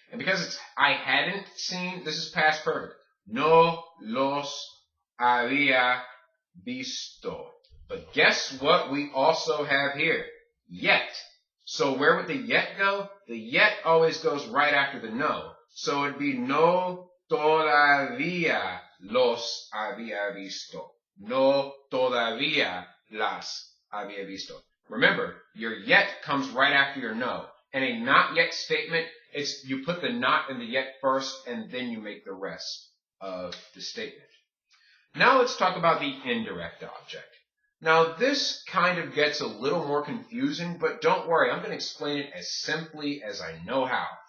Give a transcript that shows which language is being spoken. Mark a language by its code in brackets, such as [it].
[en] And because it's I hadn't seen, this is past perfect. [es] No los había visto. [en] But guess what we also have here? Yet. So where would the yet go? The yet always goes right after the no. So it'd be [es] no todavía los había visto. No todavía las había visto. [en] Remember, your yet comes right after your no. And a not yet statement, it's you put the not and the yet first, and then you make the rest of the statement. Now let's talk about the indirect object. Now this kind of gets a little more confusing, but don't worry, I'm going to explain it as simply as I know how.